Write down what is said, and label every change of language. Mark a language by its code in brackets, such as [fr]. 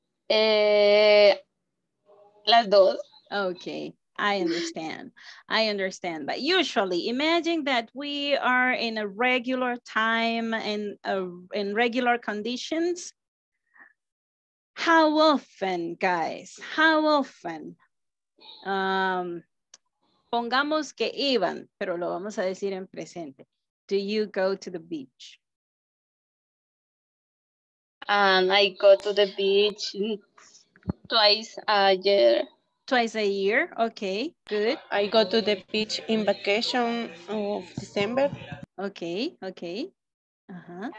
[es] Las dos. [en] Okay, I understand. But usually, imagine that we are in a regular time and in regular conditions. How often, guys? How often? [es] Pongamos que iban, pero lo vamos a decir en presente. [en] Do you go to the beach? I go to the beach twice a year. Twice a year? Okay, good. I go to the beach in vacation of December. Okay. Uh-huh.